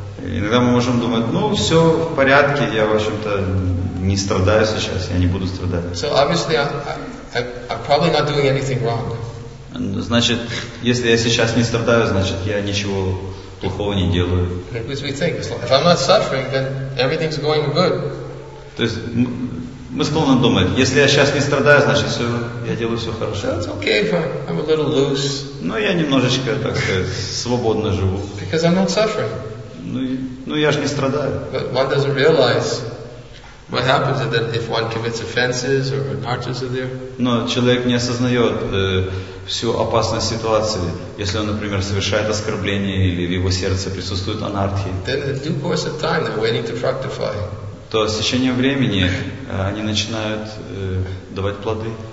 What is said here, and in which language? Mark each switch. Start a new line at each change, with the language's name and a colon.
Russian: Иногда мы можем думать, ну все в порядке, я в общем-то не страдаю сейчас, я не буду страдать.
English: So obviously I'm probably not doing anything wrong.
Russian: Значит, если я сейчас не страдаю, значит я ничего плохого не делаю.
English: Because we think, if I'm not suffering, then everything's going good.
Russian: То есть мы склонны думать, если я сейчас не страдаю, значит все, я делаю все хорошо.
English: That's okay, I'm a little loose.
Russian: Но я немножечко, так сказать, свободно живу.
English: Because I'm not suffering.
Russian: Ну, я ж не страдаю.
English: But one doesn't realize what happens is that if one commits offenses or narches are there.
Russian: Но человек не осознает всю опасность ситуации, если он, например, совершает оскорбление или в его сердце присутствует анархия.
English: Then in due course of time they're waiting to fructify.
Russian: То с течением времени они начинают давать плоды.